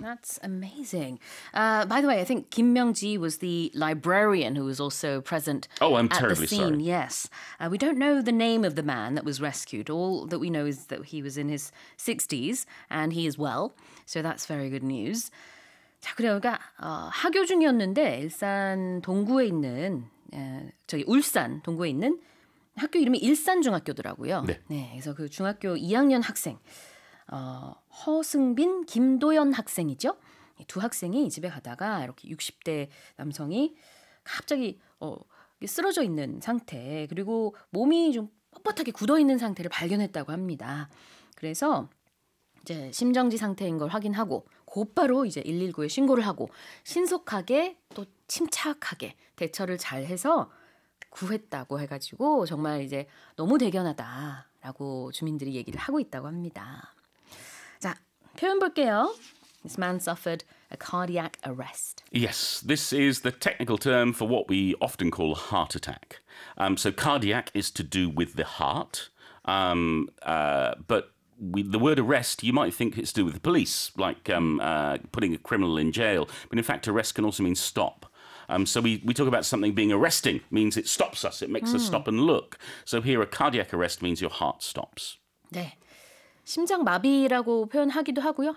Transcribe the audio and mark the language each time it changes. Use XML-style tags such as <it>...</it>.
<en>That's amazing. By the way, I think Kim Myung-ji was the librarian who was also present at the scene. Oh, I'm terribly sorry. Yes. We don't know the name of the man that was rescued. All that we know is that he was in his 60s, and he is well. So that's very good news.</en> <ko>자, 그래요. 그러니까 학교 중이었는데 일산 동구에 있는 저기 울산 동구에 있는 학교 이름이 일산 중학교더라고요. 네. 네. 그래서 그 중학교 2학년 학생 허승빈 김도연 학생이죠. 두 학생이 집에 가다가 이렇게 60대 남성이 갑자기 쓰러져 있는 상태 그리고 몸이 좀 뻣뻣하게 굳어 있는 상태를 발견했다고 합니다. 그래서 이제 심정지 상태인 걸 확인하고 곧바로 이제 119에 신고를 하고 신속하게 또 침착하게 대처를 잘 해서 구했다고 해가지고 정말 이제 너무 대견하다라고 주민들이 얘기를 하고 있다고 합니다. 자, 표현 볼게요.</ko> <en>This man suffered a cardiac arrest. Yes, this is the technical term for what we often call heart attack. So cardiac is to do with the heart. The word arrest, you might think it's to do with the police, like putting a criminal in jail. But in fact, arrest can also mean stop. So we talk about something being arresting, means it stops us, it makes us stop and look. So here, a cardiac arrest means your heart stops.</en> <ko>네. 심장 마비라고 표현하기도 하고요.</ko>